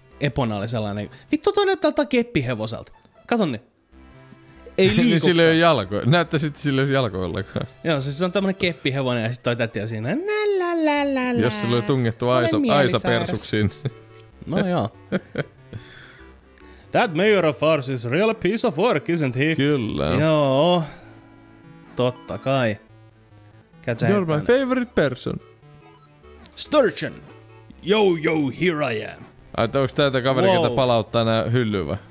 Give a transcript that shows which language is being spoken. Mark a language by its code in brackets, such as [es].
[fi] Epona oli sellainen. Vittu toi näyttää tältä keppihevoselta. Kato nyt. Ei liikukaan. Sillä ei ole jalkoja. Näyttää sitten sillä ei ole jalkoja ollenkaan. Joo, siis se on tämmönen keppihevonen ja sit toi täti on siinä. Nällälälälälä. Jos sillä oli tungettu Aisa persuksiin. No joo. [en] That mayor of ours is real piece of work, isn't he? [fi] Kyllä. Joo. Totta kai. [en] You're my favorite person. Sturgeon! Yo, yo, here I am. [fi] Ai, onks täältä kaveri, ketä palauttaa nää hyllyy vai?